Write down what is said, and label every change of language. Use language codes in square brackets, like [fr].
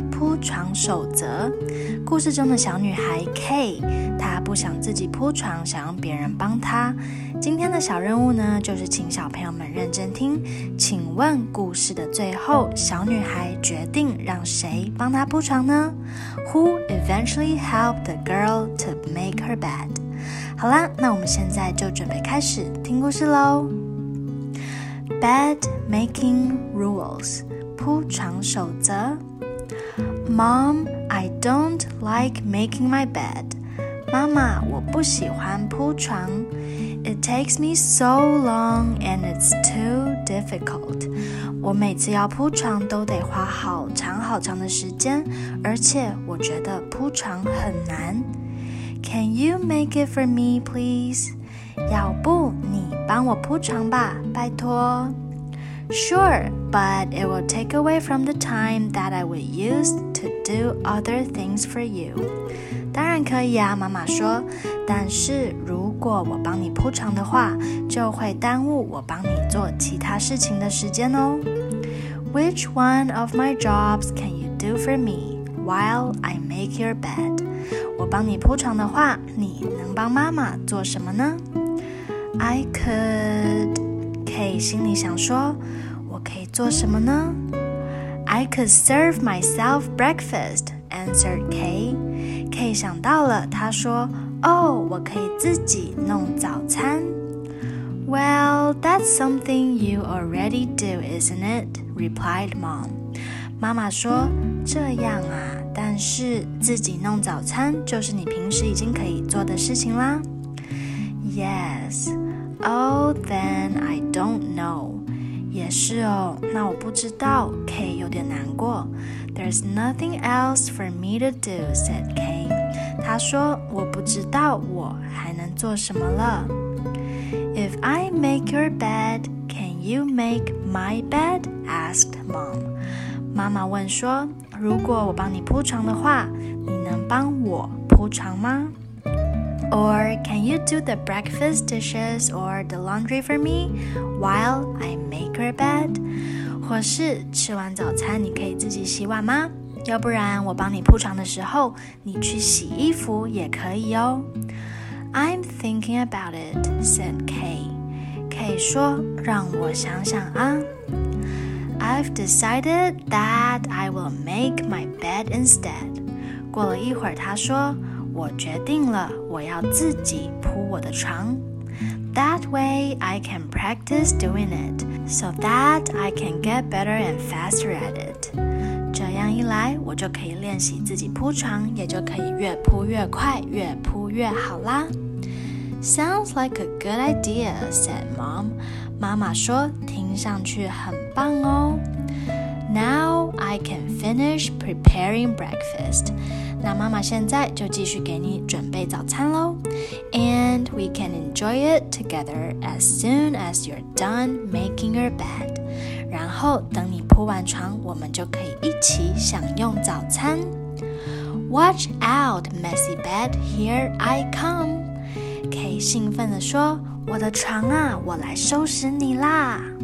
[zh] 铺床守则，故事中的小女孩 K， 她不想自己铺床，想让别人帮她。今天的小任务呢，就是请小朋友们认真听。请问故事的最后，小女孩决定让谁帮她铺床呢？ [en] Who eventually helped the girl to make her bed? [zh] 好啦，那我们现在就准备开始听故事咯。 [en] Bed Making Rules， [zh] 铺床守则。 [en] Mom, I don't like making my bed. [zh] 妈妈，我不喜欢铺床。 [en] It takes me so long and it's too difficult. [zh] 我每次要铺床都得花好长好长的时间，而且我觉得铺床很难。 [en] Can you make it for me, please? [zh] 要不你帮我铺床吧，拜托。 [en] Sure, but it will take away from the time that I would use to do other things for you. [zh] 当然可以啊，妈妈说。但是如果我帮你铺床的话，就会耽误我帮你做其他事情的时间哦。 [en] Which one of my jobs can you do for me while I make your bed? [zh] 我帮你铺床的话，你能帮妈妈做什么呢？ [en] I could... [zh] Kay 心里想说，我可以做什么呢？ [en] I could serve myself breakfast, answered Kay. [zh] Kay 想到了，她说，哦，我可以自己弄早餐。 [en] Well, that's something you already do, isn't it? replied Mom. [zh] 妈妈说，这样啊，但是自己弄早餐就是你平时已经可以做的事情啦。 [en] Yes. Oh, then I don't know. [zh] 也是哦，那我不知道。K 有点难过。 [en] There's nothing else for me to do, said K. [zh] 他说，我不知道我还能做什么了。 [en] If I make your bed, can you make my bed? asked Mom. [zh] 妈妈问说，如果我帮你铺床的话，你能帮我铺床吗？ [en] Or can you do the breakfast dishes or the laundry for me while I make her bed? [zh] 或是吃完早餐你可以自己洗碗吗？要不然我帮你铺床的时候你去洗衣服也可以哦。 [en] I'm thinking about it, said Kay. [zh] Kay 说，让我想想啊。 [en] I've decided that I will make my bed instead. [zh] 过了一会儿她说，我决定了，我要自己铺我的床。 [en] That way I can practice doing it, so that I can get better and faster at it. [zh] 这样一来，我就可以练习自己铺床，也就可以越铺越快，越铺越好啦。 [en] Sounds like a good idea, said Mom. [zh] 妈妈说，听上去很棒哦。 [en] Now I can finish preparing breakfast. [zh] 那妈妈现在就继续给你准备早餐咯。 [en] And we can enjoy it together as soon as you're done making your bed. [zh] 然后等你铺完床，我们就可以一起享用早餐。 [en] Watch out, messy bed, here I come. [zh] Kay 兴奋地说，我的床啊，我来收拾你啦。